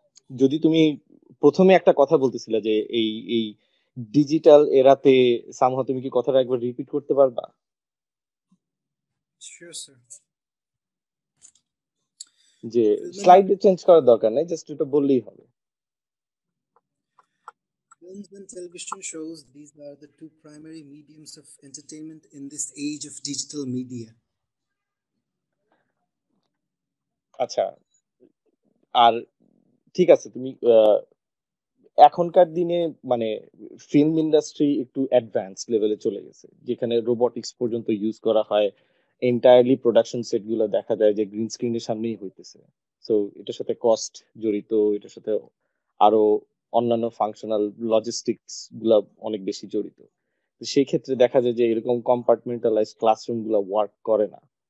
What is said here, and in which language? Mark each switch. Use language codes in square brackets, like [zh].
[bn] যদি তুমি প্রথমে একটা কথা বলতেছিলে যে এই এই ডিজিটাল এরাতে সামহ তুমি কি কথাটা একবার রিপিট করতে পারবা যে স্লাইড চেঞ্জ করার দরকার নাই জাস্ট এটা বললেই হবে [en] Films and television shows, these are the two primary mediums of entertainment in this age of digital media. [bn] আচ্ছা আর ঠিক আছে তুমি এখনকার দিনে মানে ফিল্ম ইন্ডাস্ট্রি একটু অ্যাডভান্সড লেভেলে চলে গেছে যেখানে রোবটিক্স পর্যন্ত ইউজ করা হয় এন্টায়ারলি প্রোডাকশন সেটগুলো দেখা যায় যে গ্রিন স্ক্রিনের সামনেই হইতেছে সো এটার সাথে কস্ট জড়িত এটার সাথে আরো অন্যান্য ফাংশনাল লজিস্টিক্স গুলো অনেক বেশি জড়িত তো সেই ক্ষেত্রে দেখা যায় যে এরকম কম্পার্টমেন্টালাইজ ক্লাসরুম গুলো ওয়ার্ক করে না